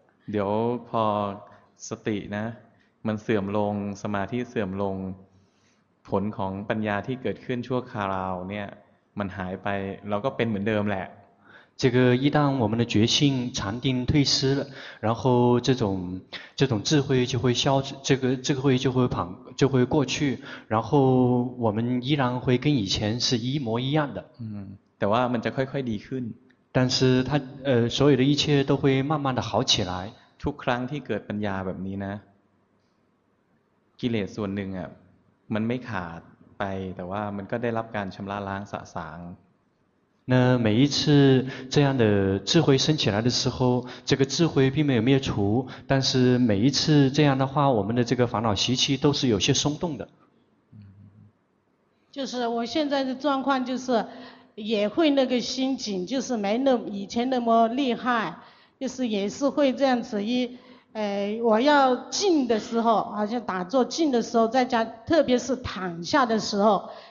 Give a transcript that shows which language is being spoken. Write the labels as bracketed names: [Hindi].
[Thai] เดี๋ยวพอสตินะมันเสื่อมลงสมาธิเสื่อมลงผลของปัญญาที่เกิดขึ้นชั่วคราวเนี่ยมันหายไปเราก็เป็นเหมือนเดิมแหละ [Chinese] 这个一旦我们的觉性禅定退失了，然后这种智慧就会消，这个慧就会过去，然后我们依然会跟以前是一模一样的。 [Thai] 嗯，แต่ว่ามันจะค่อยๆดีขึ้น。 [Chinese] 但是它所有的一切都会慢慢的好起来。 [Thai] ทุกครั้งที่เกิดปัญญาแบบนี้นะกิเลสส่วนหนึ่งอ่ะมันไม่ขาดไปแต่ว่ามันก็ได้รับการชำระล้างสะสาง [Chinese] 那每一次这样的智慧升起来的时候，这个智慧并没有灭除，但是每一次这样的话，我们的这个烦恼习气都是有些松动的。就是我现在的状况，就是也会那个心紧，就是没那以前那么厉害，就是也是会这样子一，我要静的时候，好像打坐静的时候，在家特别是躺下的时候。